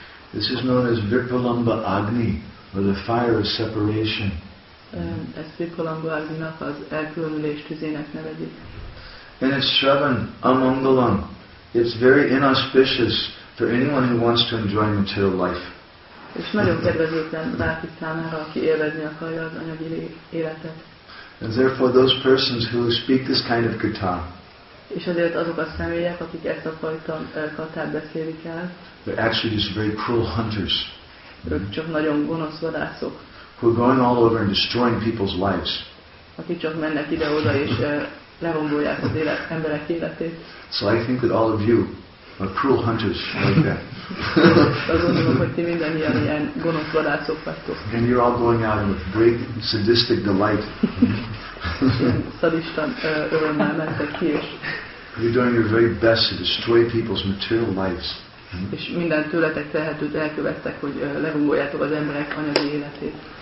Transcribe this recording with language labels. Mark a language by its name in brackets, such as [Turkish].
[English] This is known as Vipralamba Agni, or the fire of separation. [Hungarian] Ez Vipralamba Agni-nak az elkülönülés tüzének nevezik. [English] And it's [Sanskrit] Shravan, Amangalam. [English] It's very inauspicious for anyone who wants to enjoy material life. [Hungarian] És nagyon kedvezőtlen bárki számára, aki élvezni akarja az anyagi életet. [English] And therefore those persons who speak this kind of kata, [Hungarian] és azért azok a személyek, akik ezt a fajta katát beszélik el. [English] They're actually just very cruel hunters. [Hungarian] Ők csak nagyon gonosz vadászok. [English] Who are going all over and destroying people's lives. [Hungarian] Akik csak mennek ide-oda és lerombolják az emberek életét. [English] So I think that all of you are cruel hunters like that. [Hungarian] Azt gondolom, hogy ti mindannyian ilyen gonosz vadászok vagytok. [English] And you're all going out with great sadistic delight. [Hungarian] Szadista örömmel mentek ki, és [English] you're doing your very best to destroy people's material lives. [Hungarian] És minden tőletek tehetőt elkövettek, hogy lerúgoljátok az emberek anyagi életét.